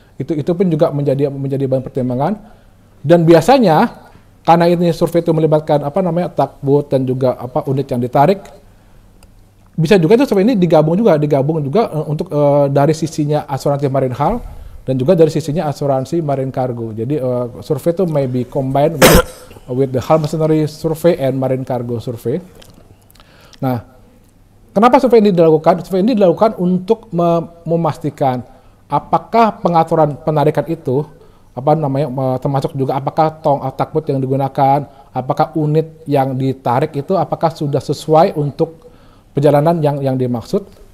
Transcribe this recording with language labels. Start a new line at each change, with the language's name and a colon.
Indonesian: Itu pun juga menjadi bahan pertimbangan. Dan biasanya karena ini survei itu melibatkan takbut dan juga unit yang ditarik, bisa juga itu survei ini digabung juga untuk dari sisinya asuransi marine hull dan juga dari sisinya asuransi marine cargo. Jadi survei itu
English: maybe combined with the hull machinery survey and marine cargo survey.
Indonesian: Nah, kenapa survei ini dilakukan? Survei ini dilakukan untuk memastikan apakah pengaturan penarikan itu termasuk juga apakah tong takbut yang digunakan, apakah unit yang ditarik itu apakah sudah sesuai untuk perjalanan yang dimaksud.